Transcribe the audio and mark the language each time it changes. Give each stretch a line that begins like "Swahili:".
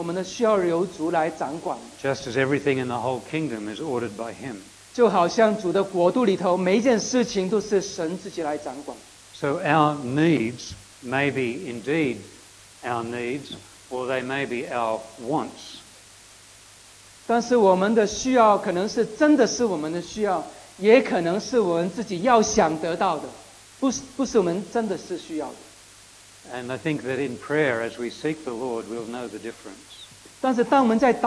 Chinese: 所以我们生活每一件事情，我们都需要由主来掌管。
English: Just as everything in the whole kingdom is ordered by Him.
Chinese: 就好像主的国度里头每一件事情都是神自己来掌管。
English: So our needs may be indeed our needs, or they may be our wants.
Chinese: 但是我们的需要可能是真的是我们的需要，也可能是我们自己要想得到的，不是我们真的是需要的。
English: And I think that in prayer, as we seek the Lord, we'll know the difference.